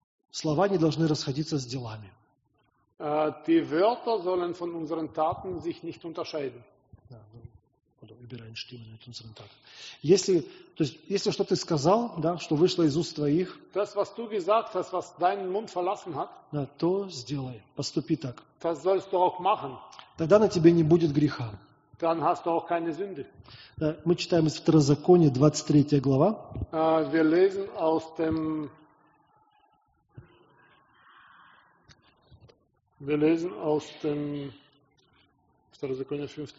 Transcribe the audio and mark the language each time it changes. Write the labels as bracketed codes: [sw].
[ru] Слова не должны расходиться с делами. [de] Die Wörter sollen von unseren Taten sich nicht unterscheiden. Ja, oder übereinstimmen mit unseren Taten. [ru] Если, то есть, если что ты сказал, да, что вышло из уст твоих, [de] das, was du gesagt hast, was deinen Mund verlassen hat, [ru] да, то сделай, поступи так. [de] Das sollst du auch machen. [ru] Тогда на тебе не будет греха. [de] Dann hast du auch keine Sünde. [ru] Да, мы читаем из Второзакония, 23 глава. [de] Wir lesen aus dem Wir lesen aus dem Второзаконие, 5.